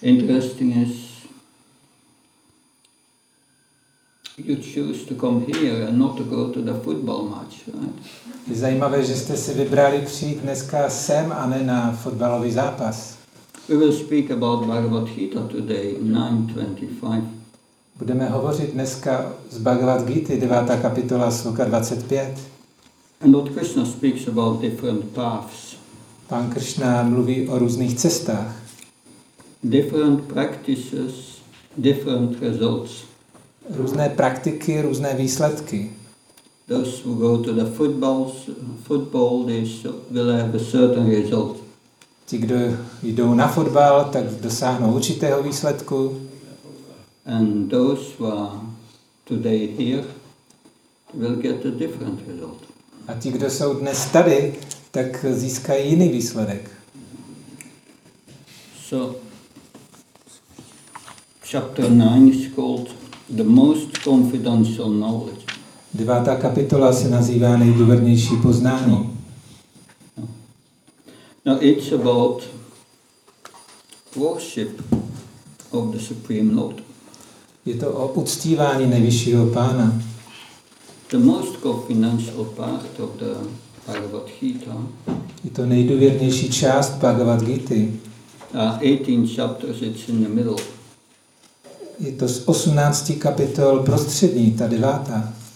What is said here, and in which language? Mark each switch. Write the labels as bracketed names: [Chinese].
[English] Interesting is you choose to come here and not to go to the football match, right? [Czech] Je zajímavé, že jste si vybrali přijít dneska sem a ne na fotbalový zápas. [English] We will speak about Bhagavad Gita today, 9:25. [Czech] Budeme hovořit dneska z Bhagavad Gita, 9. kapitola, sloka 25. [English] And Lord Krishna speaks about different paths. [Czech] Pán Krishna mluví o různých cestách. [English] Different practices, different results. [Czech] Různé praktiky, různé výsledky. [English] Those who go to the football, they will have a certain result. [Czech] Ti, kdo jdou na fotbal, tak dosáhnou určitého výsledku. [English] And those who are today here will get a different result. [Czech] A ti, kdo jsou dnes tady, tak získají jiný výsledek. [English] So, chapter 9 is called the most confidential knowledge. [Czech] Devátá kapitola se nazývá nejdůvěrnější poznání. [English] Now it's about worship of the Supreme Lord. [Czech] Je to o uctívání nejvyššího pána. [English] The most confidential part of the Bhagavad Gita. [Czech] Je to nejdůvěrnější část Bhagavad Gity. [English] 18 chapters, it's in the middle. [Czech] Je to z 18 kapitol prostřední, ta deváta.